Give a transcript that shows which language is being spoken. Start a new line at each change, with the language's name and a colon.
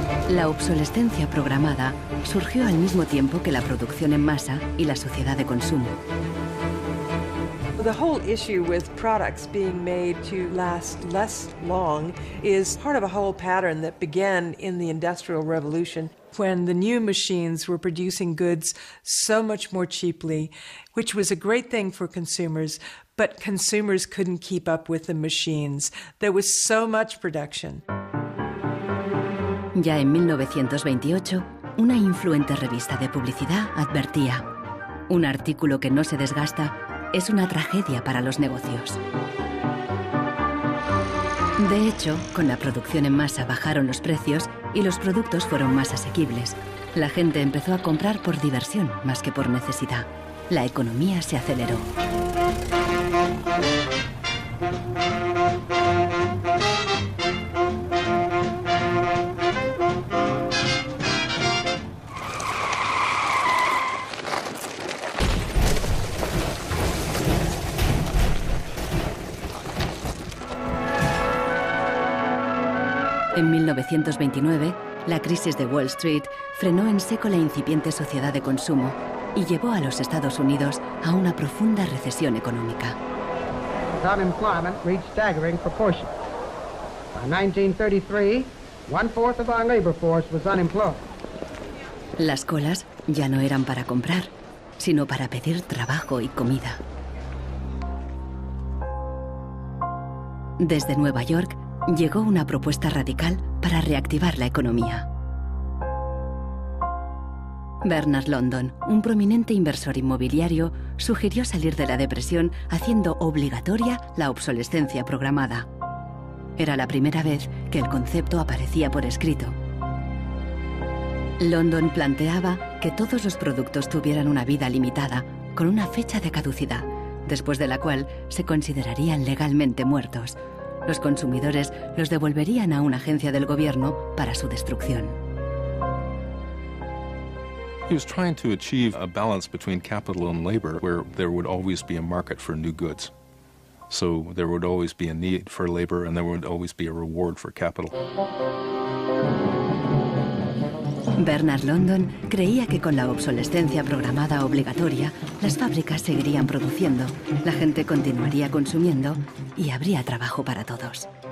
Spanish: La obsolescencia programada surgió al mismo tiempo que la producción en masa y la sociedad de consumo.
English: The whole issue with products being made to last less long is part of a whole pattern that began in the Industrial Revolution when the new machines were producing goods so much more cheaply, which was a great thing for consumers, but consumers couldn't keep up with the machines. There was so much production.
Spanish: Ya en 1928, una influente revista de publicidad advertía: un artículo que no se desgasta es una tragedia para los negocios. De hecho, con la producción en masa bajaron los precios y los productos fueron más asequibles. La gente empezó a comprar por diversión más que por necesidad. La economía se aceleró. En 1929, la crisis de Wall Street frenó en seco la incipiente sociedad de consumo y llevó a los Estados Unidos a una profunda recesión económica.
English: Unemployment reached staggering proportions. By 1933, one-fourth of our labor force was unemployed.
Spanish: Las colas ya no eran para comprar, sino para pedir trabajo y comida. Desde Nueva York llegó una propuesta radical para reactivar la economía. Bernard London, un prominente inversor inmobiliario, sugirió salir de la depresión haciendo obligatoria la obsolescencia programada. Era la primera vez que el concepto aparecía por escrito. London planteaba que todos los productos tuvieran una vida limitada, con una fecha de caducidad, después de la cual se considerarían legalmente muertos. Los consumidores los devolverían a una agencia del gobierno para su destrucción.
English: He was trying to achieve a balance between capital and labor, where there would always be a market for new goods. So there would always be a need for labor, and there would always be a reward for capital.
Spanish: Bernard London creía que con la obsolescencia programada obligatoria, las fábricas seguirían produciendo, la gente continuaría consumiendo y habría trabajo para todos.